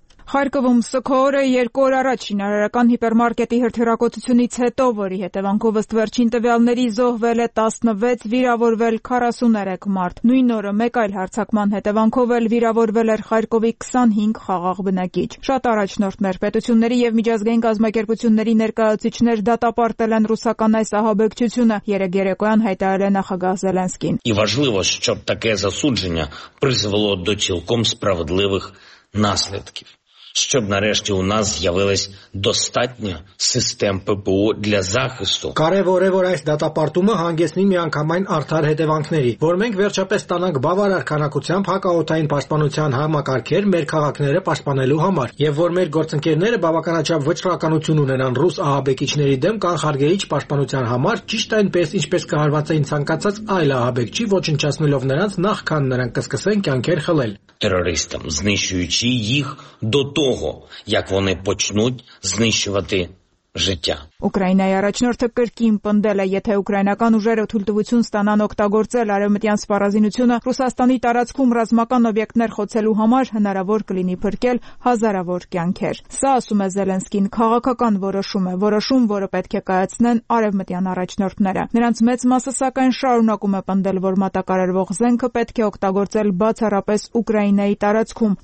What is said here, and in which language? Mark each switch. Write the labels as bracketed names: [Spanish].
[Armenian] Խարկովում սկսող օրը 2 օր առաջ շինարարական հիպերմարկետի հրթիռակոծությունից հետո, որի հետևանքով ըստ վերջին տվյալների զոհվել է 16, վիրավորվել 43 մարդ։ Նույն օրը մեկ այլ հարձակման հետևանքով էլ վիրավորվել էր Խարկովի 25 խաղաղ բնակիչ։ Շատ առաջնորդներ, պետությունների եւ միջազգային գազմակերպությունների ներկայացուցիչներ դատապարտել են ռուսական այս ահաբեկչությունը, երեկոյան հայտարարել է նախագահ Զելենսկին։ [Ukrainian] И важливо, щоб таке засудження призвело до цілком справедливих наслідків. Щоб нарешті у нас з'явилось достатньо систем ППО для захисту. [Armenian] Կարևոր է, որ այս դատապարտումը հանգեցնի միանգամայն արդար հետևանքների, որ մենք վերջապես ստանանք բավարար քանակությամբ հակաօդային պաշտպանության համակարգեր մեր քաղաքները պաշտպանելու համար, եւ որ մեր գործընկերները բավականաչափ վճռականություն ունենան ռուս ահաբեկիչների դեմ կանխարգելիչ պաշտպանության համար, ճիշտ այնպես, ինչպես կհարված էին ցանկացած այլ ահաբեկչի, ոչնչացնելով նրանց նախքան նրանք կսկսեն կյանքեր խլել [Ukrainian] терористам, знищуючи їх до того, як вони почнуть знищувати життя. [Armenian] Ուկրաինայի առաջնորդը կրկին պնդել է, եթե ուկրաինական ուժերը թույլտվություն ստանան օգտագործել արևմտյան սպառազինությունը Ռուսաստանի տարածքում ռազմական օբյեկտներ խոցելու համար, հնարավոր կլինի փրկել հազարավոր կյանքեր։ Սա, ասում է Զելենսկին, քաղաքական որոշում է, որոշում, որը պետք է կայացնեն արևմտյան առաջնորդները։ Նրանց մեծ մասը, սակայն, շարունակում է պնդել, որ մատակարարվող զենքը պետք է օգտագործել բացառապես Ուկրաինայի տարածքում